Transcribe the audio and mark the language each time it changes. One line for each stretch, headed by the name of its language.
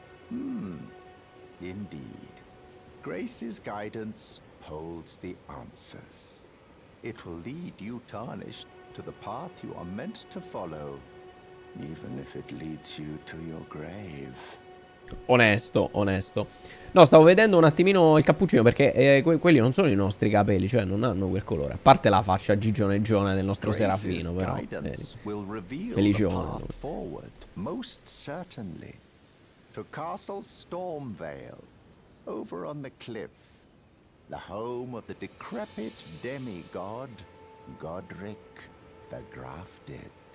English: Indeed. Grace's guidance holds the answers. It will lead you tarnished to the path you are meant to follow. Even if it leads you to your grave.
Italian: Onesto, onesto. No, stavo vedendo un attimino il cappuccino, perché quelli non sono i nostri capelli, cioè non hanno quel colore. A parte la faccia gigioneggione del nostro Grace's Serafino, però. Felicione.
English: Forward, most certainly to Castle Stormvale, over on the cliff, the home of the decrepit demigod Godric the Grafted.